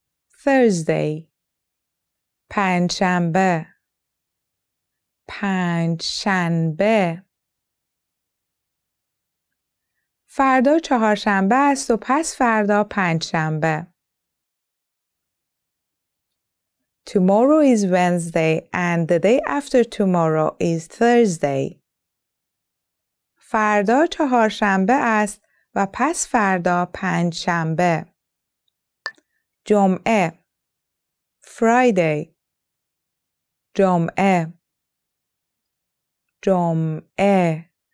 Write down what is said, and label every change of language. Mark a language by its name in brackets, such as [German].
[English] Thursday [Persian] پنجشنبه پنجشنبه فردا چهارشنبه است و پس فردا پنجشنبه. [English] Tomorrow is Wednesday and the day after tomorrow is Thursday. [Persian] فردا چهارشنبه است و پس فردا پنجشنبه. جمعه [English] Friday [Persian] جمعه جمعه